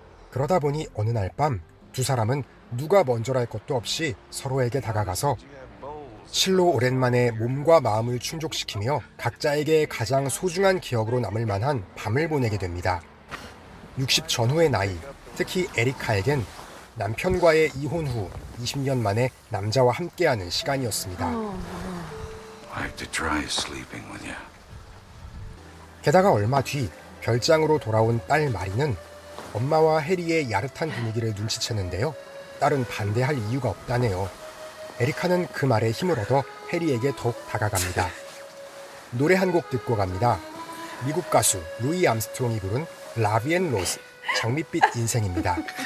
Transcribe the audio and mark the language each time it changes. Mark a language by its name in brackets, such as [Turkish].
[Korean] 그러다 보니 어느 날 밤 두 사람은 누가 먼저랄 것도 없이 서로에게 다가가서 실로 오랜만에 몸과 마음을 충족시키며 각자에게 가장 소중한 기억으로 남을 만한 밤을 보내게 됩니다. 60 전후의 나이, 특히 에리카에겐 남편과의 이혼 후 20년 만에 남자와 함께하는 시간이었습니다. [English] I have to try sleeping with you. [Korean] 게다가 얼마 뒤 별장으로 돌아온 딸 마리는 엄마와 해리의 야릇한 분위기를 눈치챘는데요. 딸은 반대할 이유가 없다네요. 에리카는 그 말에 힘을 얻어 해리에게 더욱 다가갑니다. 노래 한 곡 듣고 갑니다. 미국 가수 루이 암스트롱이 부른 Love and Rose, 장밋빛 인생입니다.